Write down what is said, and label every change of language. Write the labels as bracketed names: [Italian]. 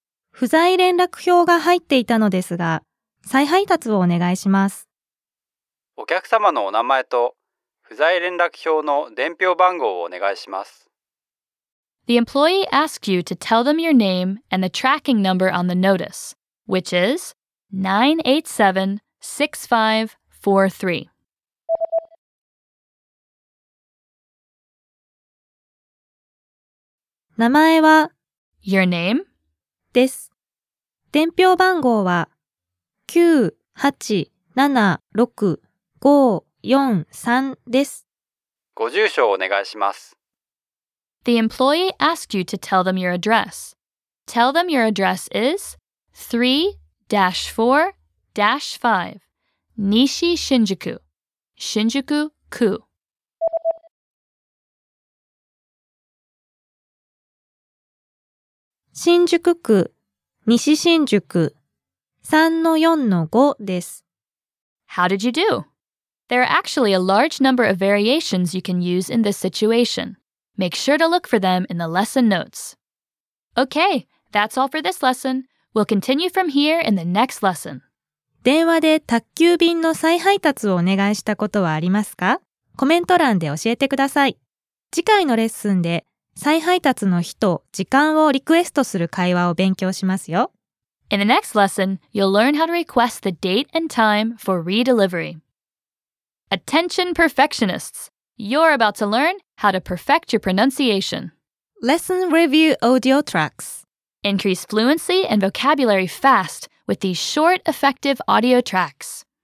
[Japanese] 不在連絡票が入っていたのですが、再配達をお願いします。お客様のお名前と、不在連絡票の伝票番号をお願いします。 [English] The employee asked you to tell them your name and the tracking number on the notice, which is 987-6543. [Japanese] 名前は、 [English] Your name? [Japanese] です。伝票番号は987-6543です。ご住所をお願いします。 [English] The employee asked you to tell them your address. Tell them your address is 3-4-5 西新宿、新宿区。 [Japanese] 新宿区。西新宿 3-4-5 です。 [English] How did you do? There are actually a large number of variations you can use in this situation. Make sure to look for them in the lesson notes. Okay, that's all for this lesson. We'll continue from here in the next lesson. [Japanese] 電話で宅急便の再配達をお願いしたことはありますか？コメント欄で教えてください。次回のレッスンで再配達の日と時間をリクエストする会話を勉強しますよ。 [English] In the next lesson, you'll learn how to request the date and time for redelivery. Attention perfectionists! You're about to learn how to perfect your pronunciation. Lesson review audio tracks. Increase fluency and vocabulary fast with these short, effective audio tracks.